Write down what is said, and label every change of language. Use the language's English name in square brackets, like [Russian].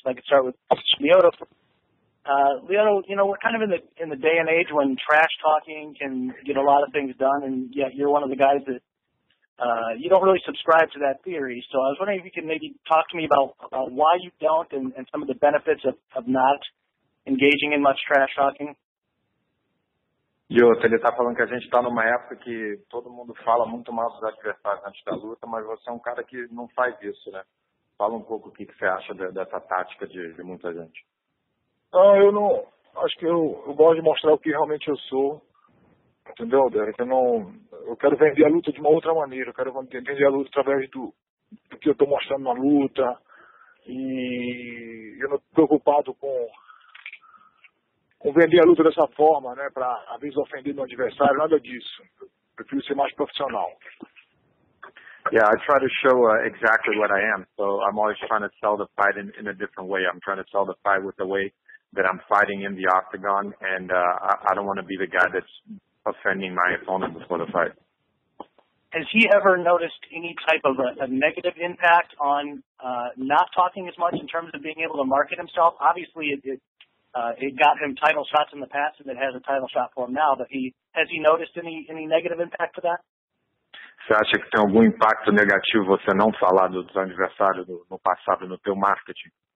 [English] If I could start with Lyoto. Lyoto, we're kind of in the day and age when trash talking can get a lot of things done, and yet you're one of the guys that you don't really subscribe to that theory. So I was wondering if you could maybe talk to me about why you don't and some of the benefits of not engaging in much trash talking. [Portuguese] E outra, ele está falando que a gente está numa época que todo mundo fala muito mal dos adversários antes da luta, mas você é um cara que não faz isso, né? Fala um pouco o que você acha dessa tática de muita gente. Ah, eu não... Acho que eu gosto de mostrar o que realmente eu sou. Entendeu, Derek? Eu quero vender a luta de uma outra maneira. Eu quero vender a luta através do que eu estou mostrando na luta. E eu não estou preocupado com vender a luta dessa forma, né, para às vezes ofender meu adversário, nada disso. Eu prefiro ser mais profissional. [English] Yeah, I try to show exactly what I am. So I'm always trying to sell the fight in a different way. I'm trying to sell the fight with the way that I'm fighting in the octagon, and I don't want to be the guy that's offending my opponent before the fight. Has he ever noticed any type of a negative impact on not talking as much in terms of being able to market himself? Obviously, it got him title shots in the past, and it has a title shot for him now. But has he noticed any negative impact to that? [Portuguese] Você acha que tem algum impacto negativo você não falar dos adversários no passado no teu marketing?